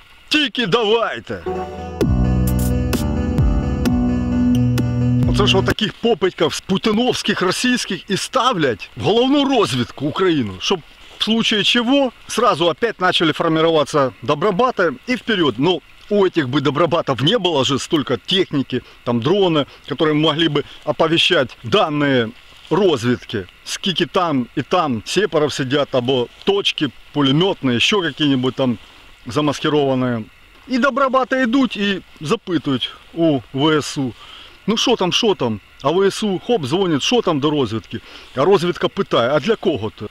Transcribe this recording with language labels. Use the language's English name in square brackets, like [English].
[Ukrainian] Тільки давайте. Оце ж отаких попитьків з путіновських, російських і ставлять в головну розвідку Україну, щоб в случае чого [Russian] сразу опять начали [Ukrainian] формуватися добробати і вперед. [Russian] Ну, у этих бы добробатов не было же столько техники, там дроны, которые могли бы оповещать данные [Ukrainian] розвідки. Скільки там і там сепарів сидять, або точки пулеметні, ще які-небудь там замаскировані. І добробати йдуть і запитують у ВСУ. Ну що там, що там? А ВСУ хоп, дзвонить, що там до розвідки? А розвідка питає, а для кого то?